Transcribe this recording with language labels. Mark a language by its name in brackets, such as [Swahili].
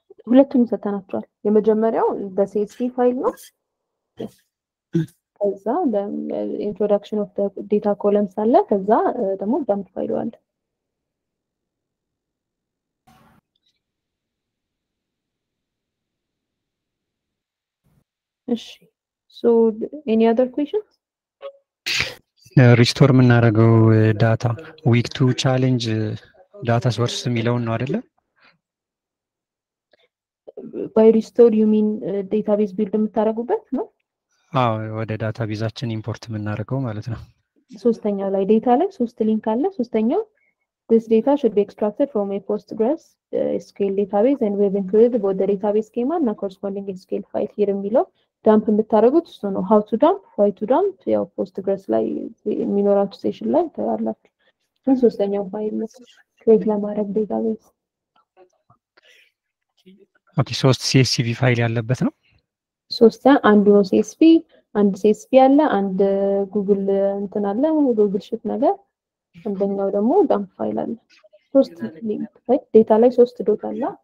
[Amharic] ሁለቱም ተጠናክሯል የመጀመሪያው በcsv ፋይል ነው ከዛ ደም ኢንትሮዳክሽን ኦፍ ዘ ዴታ ኮለምስ አለ ከዛ ደግሞ ዳምፕ ፋይል አለ እሺ ሶ ኤኒ አዘር ኩዌሽንስ ሪስቶር ምናረገው ዳታ ዊክ 2 ቻሌንጅ ዳታ ሶርስ የሚለውን ነው አይደለ [English] by restore you mean database build [Amharic] የምታረጉበት ነው አዎ ወደ ዳታቤዛችን ኢምፖርት የምናረገው ማለት ነው ሶስተኛው ላይ ዴታ ላይ ሶስት ሊንክ አለ ሶስተኛው [English] this data should be extracted from a postgres sql database and we've included both the database schema and the corresponding sql file here below dump [Amharic] የምታረጉት እሱ ነው [English] how to dump why to dump [Amharic] ያው [English] postgres ላይ [Amharic] የሚኖራችሁ [English] ሴሽን [Amharic] ላይ ታያላችሁ እና ሶስተኛው ፋይል ነው [English] create [Amharic] ለማድረግ [English] ዴታቤዝ [Amharic] ኦኬ ሶስት csv ፋይል ያለበት ነው ሶስት አንዱ ነው csv አንድ csv አለ አንድ ጉግል እንትን አለ ጉግል ሺት ነገር አንደኛው ደግሞ ዳምፕ ፋይል አለ ሶስት ሊንክ ፋይል ዴታ ላይ ሶስት ዶት አለ